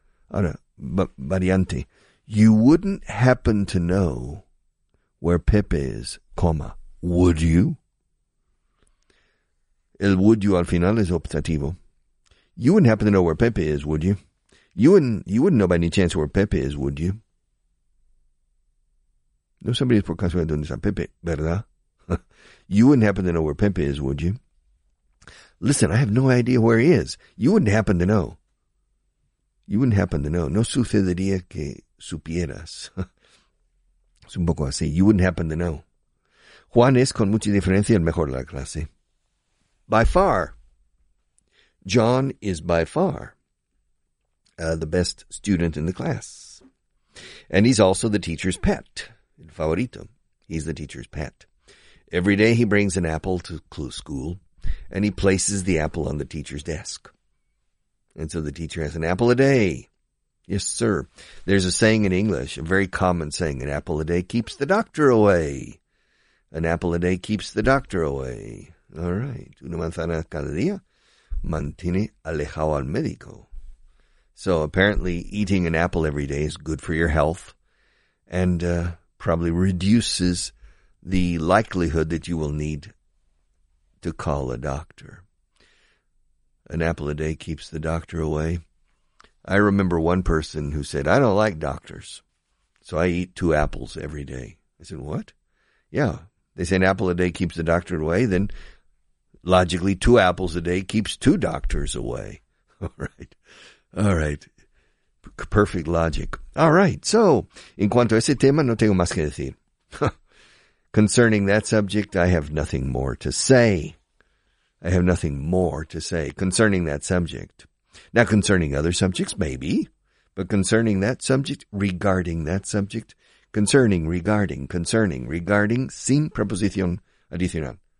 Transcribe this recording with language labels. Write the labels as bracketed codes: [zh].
[es] Ahora, variante. [en] You wouldn't happen to know where Pepe is, comma, would you? El would you [es] al final es optativo. [en] You wouldn't happen to know where Pepe is, would you? You wouldn't know by any chance where Pepe is, would you? [es] No sabrías por casualidad donde está Pepe, ¿verdad? [en] You wouldn't happen to know where Pepe is, would you? Listen, I have no idea where he is. You wouldn't happen to know. You wouldn't happen to know. [es] No sucedería que supieras. Es un poco así. [en] You wouldn't happen to know. [es] Juan es, con mucha diferencia, el mejor de la clase. [en] By far. John is by far the best student in the class. And he's also the teacher's pet. [es] El favorito. [en] He's the teacher's pet. Every day he brings an apple to school, and he places the apple on the teacher's desk. And so the teacher has an apple a day. Yes, sir. There's a saying in English, a very common saying, an apple a day keeps the doctor away. An apple a day keeps the doctor away. All right. [es] Una manzana cada día mantiene alejado al médico. [en] So apparently eating an apple every day is good for your health and probably reduces the likelihood that you will need to call a doctor. An apple a day keeps the doctor away. I remember one person who said, I don't like doctors, so I eat two apples every day. I said, what? Yeah, they say an apple a day keeps the doctor away. Then logically, two apples a day keeps two doctors away. All right. Perfect logic. All right. [es] So, en cuanto a ese tema, no tengo más que decir. [en] Concerning that subject, I have nothing more to say. I have nothing more to say concerning that subject. Now, concerning other subjects, maybe. But concerning that subject, regarding that subject, concerning, regarding, [es] sin preposición adicional.